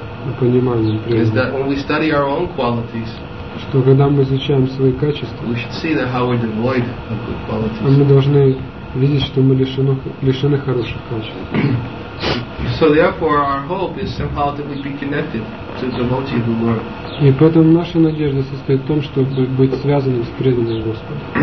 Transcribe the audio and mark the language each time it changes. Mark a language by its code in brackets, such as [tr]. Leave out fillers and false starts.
[en] Is that when we study our own qualities, [ru] что когда мы изучаем свои качества, [en] we should see that how we're devoid of good qualities. [ru] Мы должны видеть, что мы лишены хороших качеств. [en] So therefore, our hope is somehow that we be connected to the devotee of the Lord. [ru] И поэтому наша надежда состоит в том, чтобы быть связанным с преданным Господом.